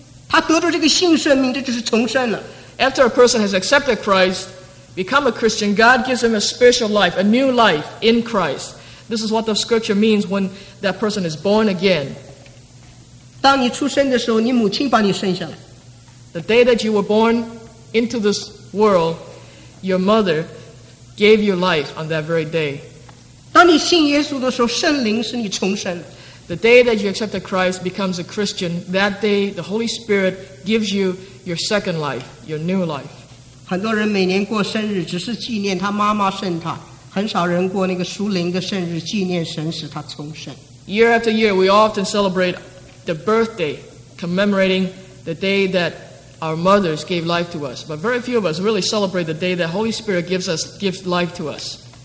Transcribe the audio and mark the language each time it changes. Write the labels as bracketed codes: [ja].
[zh] 一个人信耶稣以后，神给他一个新的生命，他得着这个新生命，这就是重生了。 [en] After a person has accepted Christ, become a Christian, God gives him a spiritual life, a new life in Christ. This is what the scripture means when that person is born again. [zh] 当你出生的时候，你母亲把你生下来。 [en] The day that you were born into this world, your mother gave you life on that very day. [zh] 当你信耶稣的时候，圣灵使你重生。 [en] The day that you accepted Christ becomes a Christian, that day the Holy Spirit gives you your second life, your new life. [zh] 很多人每年过生日只是纪念他妈妈生他，很少人过那个属灵的生日纪念神使他重生。 [en] Year after year, we often celebrate the birthday, commemorating the day that our mothers gave life to us. But very few of us really celebrate the day that Holy Spirit gives life to us.